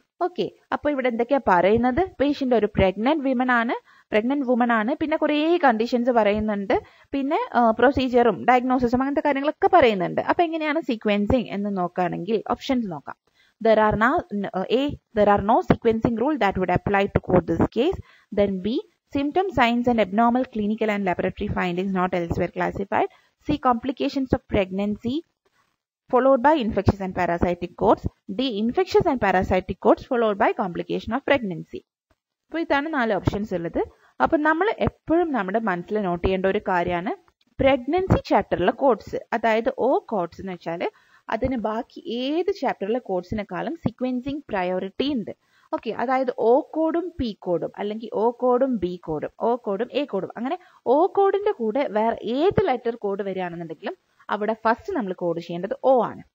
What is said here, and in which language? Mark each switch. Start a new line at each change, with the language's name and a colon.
Malayalam: Okay, അപ്പോൾ ഇവിടെ എന്തൊക്കെയാ പറയുന്നത്? പേഷ്യന്റ് ഒരു പ്രെഗ്നന്റ് വുമൺ ആണ്, പിന്നെ കുറേ കണ്ടീഷൻസ് പറയുന്നുണ്ട്, പിന്നെ പ്രൊസീജിയറും ഡയഗ്നോസിസും അങ്ങനത്തെ കാര്യങ്ങളൊക്കെ പറയുന്നുണ്ട്. അപ്പൊ എങ്ങനെയാണ് സീക്വൻസിങ് എന്ന് നോക്കുകയാണെങ്കിൽ ഓപ്ഷൻസ് നോക്കാം.
English: There are no sequencing rule that would apply to code this case. Then B, symptom signs and abnormal clinical and laboratory findings not elsewhere classified. C, complications of pregnancy followed by infectious and parasitic codes. D, infectious and parasitic codes followed by complication of pregnancy.
Malayalam: അപ്പൊ ഇതാണ് നാല് options ഉള്ളത്. അപ്പൊ നമ്മൾ എപ്പോഴും നമ്മുടെ മനസ്സിൽ not ചെയ്യേണ്ട ഒരു കാര്യമാണ് പ്രഗ്നൻസി ചാപ്റ്ററിലെ കോഡ്സ്, അതായത് ഓ കോഡ്സ് എന്ന് വെച്ചാൽ അതിന് ബാക്കി ഏത് ചാപ്റ്ററിലെ കോഡ്സിനെക്കാളും സീക്വൻസിങ് പ്രയോറിറ്റി ഉണ്ട്. ഓക്കെ, അതായത് ഓ കോഡും പി കോഡും അല്ലെങ്കിൽ ഓ കോഡും ബി കോഡും ഓ കോഡും എ കോഡും അങ്ങനെ ഓ കോഡിന്റെ കൂടെ വേറെ ഏത് ലെറ്റർ കോഡ് വരികയാണെന്നുണ്ടെങ്കിലും അവിടെ ഫസ്റ്റ് നമ്മൾ കോഡ് ചെയ്യേണ്ടത് ഒ ആണ്.